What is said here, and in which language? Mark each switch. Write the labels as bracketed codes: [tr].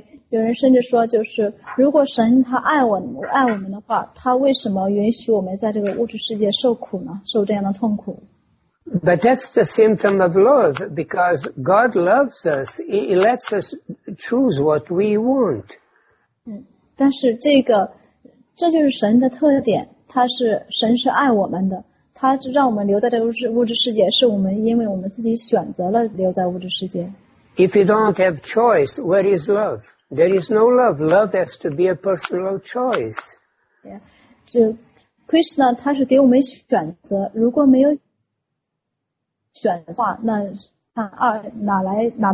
[zh] 有人甚至说，就是如果神他爱我们的话，他为什么允许我们在这个物质世界受苦呢？受这样的痛苦？ [en] But that's the symptom of love, because God loves us. He lets us choose what we want. [zh] 但是这就是神的特点，神是爱我们的，他让我们留在这个物质世界，是我们因为我们自己选择了留在物质世界。 [en] If you don't have choice, where is love? There is no love. Love has to be a personal choice. [zh] Yeah. 这 Krishna 他是给我们选择，如果没有选的话，那他哪来？